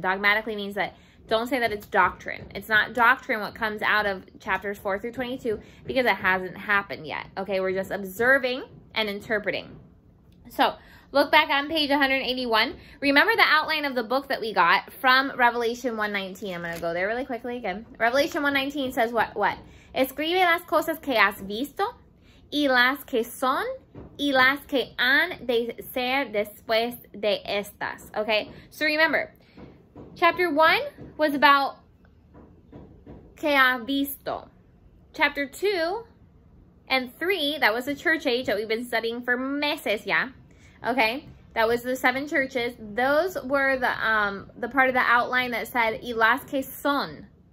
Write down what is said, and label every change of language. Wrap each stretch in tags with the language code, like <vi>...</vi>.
<en>Dogmatically means that don't say that it's doctrine. It's not doctrine what comes out of chapters 4 through 22 because it hasn't happened yet. Okay, we're just observing and interpreting. So, look back on page 181. Remember the outline of the book that we got from Revelation 1:19. I'm going to go there really quickly again. Revelation 1:19 says what?</en> <es>Escribe las cosas que has visto y las que son y las que han de ser después de estas.</es> <en>Okay? So remember, chapter 1 was about</en> <es>que has visto.</es> <en>Chapter 2 And three, that was the church age that we've been studying for</en> <es>meses,</es> <en>yeah? Okay, that was the seven churches. Those were the part of the outline that said,</en> <es>y las que son.</es>